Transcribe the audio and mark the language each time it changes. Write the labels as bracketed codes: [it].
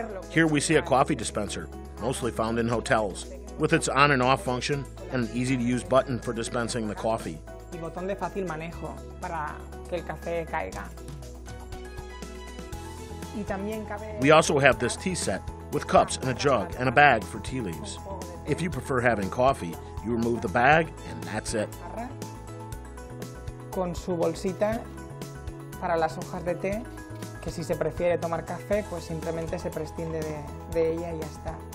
[en] Here we see a coffee dispenser, mostly found in hotels, with its on and off function and an easy to use button for dispensing the coffee. [es] Y botón de fácil manejo para que el café caiga. Y también cabe. [en] We also have this tea set with cups and a jug and a bag for tea leaves. If you prefer having coffee, you remove the bag and that's it. [es] Con su bolsita para las hojas de té, que si se prefiere tomar café, pues simplemente se prescinde de ella y ya está.